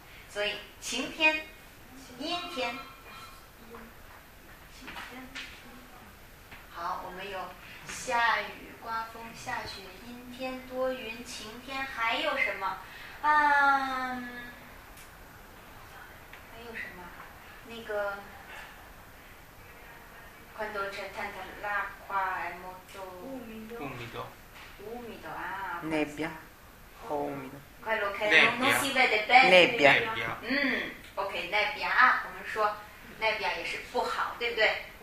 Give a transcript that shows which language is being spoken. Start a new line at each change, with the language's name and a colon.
Chinese: 所以晴天、阴天，好，我们有下雨、刮风、下雪、阴天、多云、晴天，还有什么？还有什么？那个
Italian: quando c'è tanta l'acqua è molto umido, umido 啊，nebbia, umido。 quello che non si vede bene nebbia
Chinese: 嗯 ，OK nebbia 啊，我们说 nebbia 也是不好，对不对？